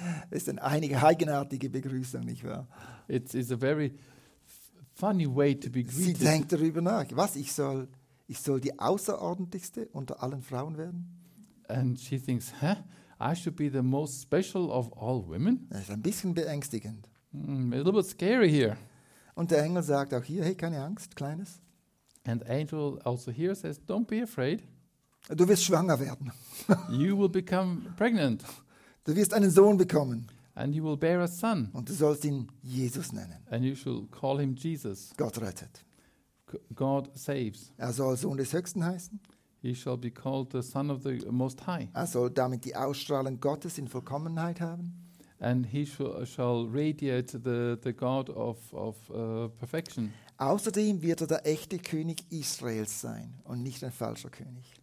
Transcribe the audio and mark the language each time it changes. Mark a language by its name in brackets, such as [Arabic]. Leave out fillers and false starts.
[German] Es sind einige eigenartige Begrüßungen, nicht wahr? [English] It is a very funny way to be greeted. [German] Sie denkt darüber nach, was ich soll Ich soll die außerordentlichste unter allen Frauen werden? [English] And she thinks, huh? I should be the most special of all women? [German] Das ist ein bisschen beängstigend. [English] A little bit scary here. [German] Und der Engel sagt auch hier, hey, keine Angst, Kleines. [English] And the angel also here says, don't be afraid. [German] Du wirst schwanger werden. [English] You will become pregnant. [German] Du wirst einen Sohn bekommen. [English] And you will bear a son. [German] Und du sollst ihn Jesus nennen. [English] And you shall call him Jesus. [German] Gott rettet. [English] God saves. [German] Er soll Sohn des Höchsten heißen. [English] He shall be called the Son of the Most High. [German] Er soll damit die Ausstrahlung Gottes in Vollkommenheit haben. [English] And he shall radiate the God of perfection. [German] Außerdem wird er der echte König Israels sein und nicht ein falscher König.